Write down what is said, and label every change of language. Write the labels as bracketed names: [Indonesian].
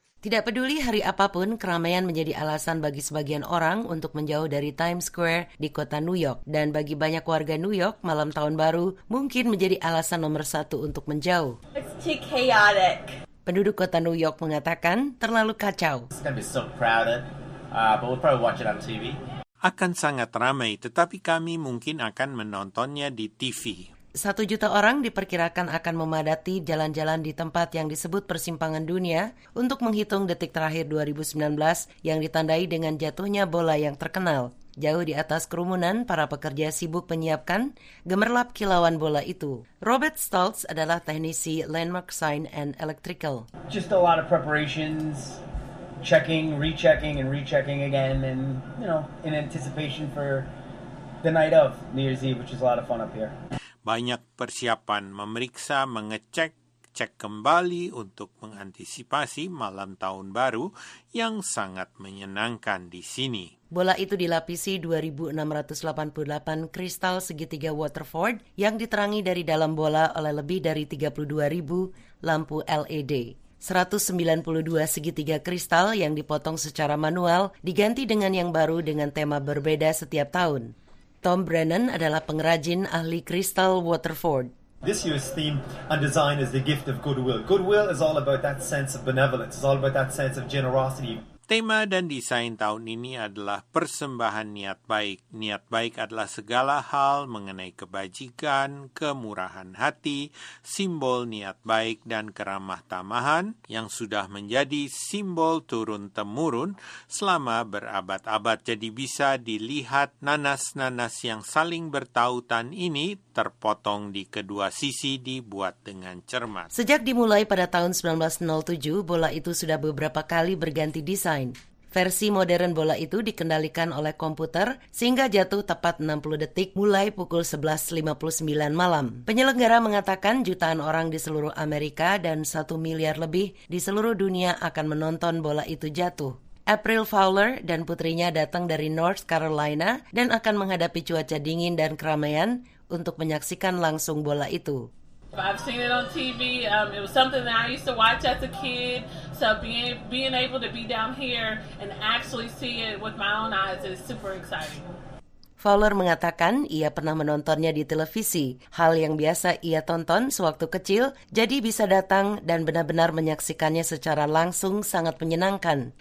[Indonesian] Tidak peduli hari apapun, keramaian menjadi alasan bagi sebagian orang untuk menjauh dari Times Square di kota New York. Dan bagi banyak warga New York, malam tahun baru mungkin menjadi alasan nomor satu untuk menjauh. [English] It's too chaotic. [Indonesian] Penduduk kota New York mengatakan terlalu kacau. [English] It's gonna be so crowded, but we'll probably watch it on TV. [Indonesian] Akan sangat ramai, tetapi kami mungkin akan menontonnya di TV. 1 juta orang diperkirakan akan memadati jalan-jalan di tempat yang disebut persimpangan dunia untuk menghitung detik terakhir 2019 yang ditandai dengan jatuhnya bola yang terkenal. Jauh di atas kerumunan, para pekerja sibuk menyiapkan gemerlap kilauan bola itu. Robert Stoltz adalah teknisi Landmark Sign and Electrical. [English] Just a lot of preparations, checking, rechecking, and rechecking again, and you know, in anticipation for the night of New Year's Eve, which is a lot of fun up here. [Indonesian] Banyak persiapan, memeriksa, mengecek, cek kembali untuk mengantisipasi malam tahun baru yang sangat menyenangkan di sini. Bola itu dilapisi 2,688 kristal segitiga Waterford yang diterangi dari dalam bola oleh lebih dari 32,000 lampu LED. 192 segitiga kristal yang dipotong secara manual diganti dengan yang baru dengan tema berbeda setiap tahun. Tom Brennan adalah pengrajin ahli kristal Waterford. [English] This year's theme and design is the gift of goodwill. Goodwill is all about that sense of benevolence. It's all about that sense of generosity. [Indonesian] Tema dan desain tahun ini adalah persembahan niat baik. Niat baik adalah segala hal mengenai kebajikan, kemurahan hati, simbol niat baik dan keramah tamahan yang sudah menjadi simbol turun-temurun selama berabad-abad. Jadi bisa dilihat nanas-nanas yang saling bertautan ini terpotong di kedua sisi dibuat dengan cermat. Sejak dimulai pada tahun 1907, bola itu sudah beberapa kali berganti desain. Versi modern bola itu dikendalikan oleh komputer sehingga jatuh tepat 60 detik mulai pukul 11.59 malam. Penyelenggara mengatakan jutaan orang di seluruh Amerika dan 1 miliar lebih di seluruh dunia akan menonton bola itu jatuh. April Fowler dan putrinya datang dari North Carolina dan akan menghadapi cuaca dingin dan keramaian untuk menyaksikan langsung bola itu. [English] I've seen it on TV. It was something that I used to watch as a kid. So being able to be down here and actually see it with my own eyes is super exciting. [Indonesian] Fowler mengatakan ia pernah menontonnya di televisi, hal yang biasa ia tonton sewaktu kecil, jadi bisa datang dan benar-benar menyaksikannya secara langsung sangat menyenangkan.